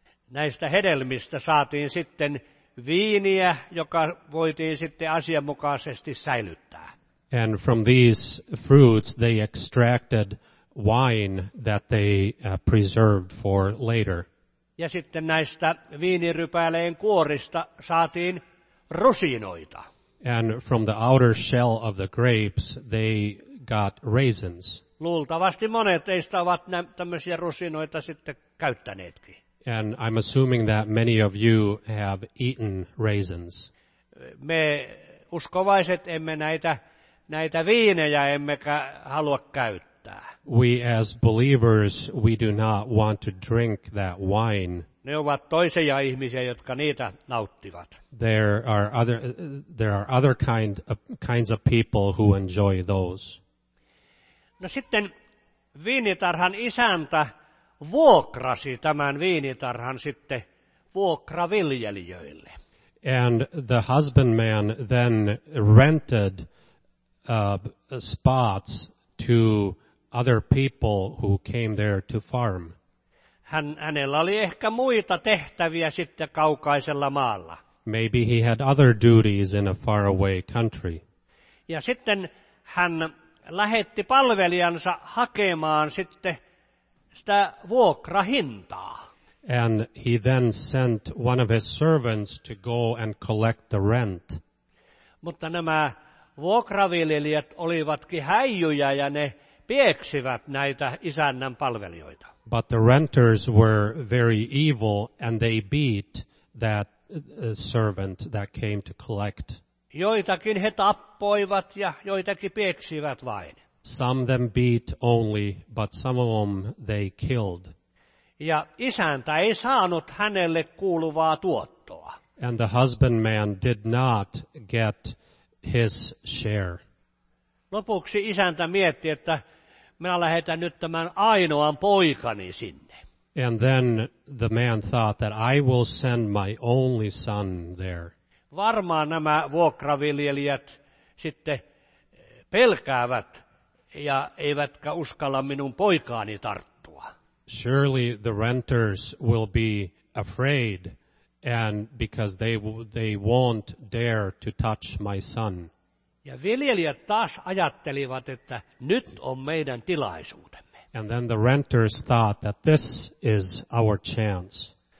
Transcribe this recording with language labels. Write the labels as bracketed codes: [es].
[fi] Näistä hedelmistä saatiin sitten viiniä, joka voitiin sitten asianmukaisesti säilyttää. [en] And from these fruits, they extracted wine that they preserved for later. [fi] Ja sitten näistä viinirypäleen kuorista saatiin rusinoita. [en] And from the outer shell of the grapes they got raisins. [fi] Luultavasti monet teistä ovat tämmöisiä rusinoita sitten käyttäneetkin. [en] And I'm assuming that many of you have eaten raisins. [fi] Me uskovaiset emme näitä viinejä emmekä halua käyttää. [en] We as believers, we do not want to drink that wine. [fi] Ne ovat toisia ihmisiä, jotka niitä nauttivat. [en] There are other kinds of people who enjoy those. [fi] No sitten viinitarhan isäntä vuokrasi tämän viinitarhan sitten vuokraviljelijöille. [en] And the husbandman then rented spots to other people who came there to farm. [fi] Hänellä oli ehkä muita tehtäviä sitten kaukaisella maalla. [en] Maybe he had other duties in a faraway country. [fi] Ja sitten hän lähetti palvelijansa hakemaan sitten sitä vuokrahintaa. [en] And he then sent one of his servants to go and collect the rent. [fi] Mutta nämä vuokraviljelijät olivatkin häijyjä ja ne pieksivät näitä isännän palvelijoita. [en] But the renters were very evil and they beat that servant that came to collect. [fi] Joitakin he tappoivat ja joitakin pieksivät vain. [en] Some them beat only, but some of them they killed. [fi] Ja isäntä ei saanut hänelle kuuluvaa tuottoa. [en] And the husbandman did not get his share. [fi] Lopuksi isäntä mietti, että minä lähetän nyt tämän ainoan poikani sinne. [en] And then the man thought that I will send my only son there. [fi] Varmaan nämä vuokraviljelijät sitten pelkäävät ja eivätkä uskalla minun poikaani tarttua. [en] Surely the renters will be afraid and because they won't dare to touch my son. [fi] Ja viljelijät taas ajattelivat, että nyt on meidän tilaisuutemme. [en] And then the renters thought that this is our chance.